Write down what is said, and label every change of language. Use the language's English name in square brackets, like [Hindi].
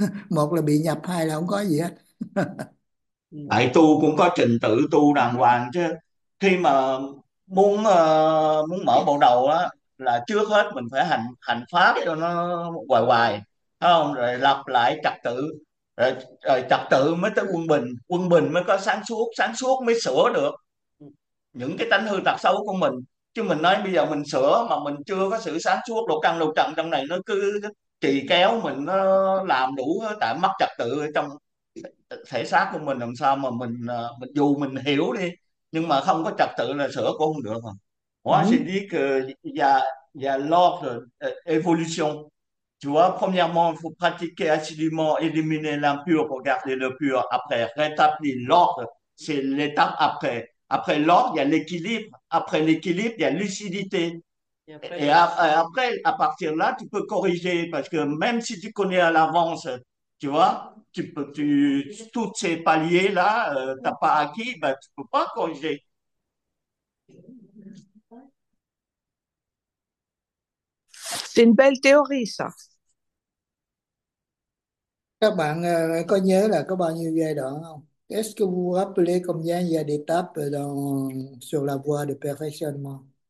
[Vietnamese] Một là bị nhập, hai là không có gì hết. Tại tu cũng có trình tự tu đàng hoàng chứ. Khi mà muốn muốn mở bộ đầu á, là trước hết mình phải hành hành pháp cho nó hoài hoài, thấy không, rồi lập lại trật tự, rồi trật tự mới tới quân bình, quân bình mới có sáng suốt mới sửa những cái tánh hư tật xấu của mình. Chứ mình nói bây giờ mình sửa mà mình chưa có sự sáng suốt, đồ căn đồ trần trong này nó cứ trì kéo mình, nó làm đủ tại mất trật tự ở trong thể xác của mình, làm sao mà mình dù mình hiểu đi nhưng mà không có trật tự là sửa cũng không được. Hóa sinh Đúng. đi cơ và lo rồi evolution. [French] Tu vois, premièrement, il faut pratiquer assidûment, éliminer l'impur pour garder le pur. Après, rétablir l'ordre, c'est l'étape après. Après l'ordre, il y a l'équilibre. Après l'équilibre, il y a lucidité. Et après, à partir de là, tu peux corriger, parce que même si tu connais à l'avance, tu vois, tous ces paliers-là, tu n'as pas acquis, ben, tu ne peux pas corriger. C'est une belle théorie, ça. [Vietnamese] Các bạn có nhớ là có bao nhiêu giai đoạn không? [French] Est-ce que vous vous rappelez combien il y a d'étapes sur la voie de perfectionnement?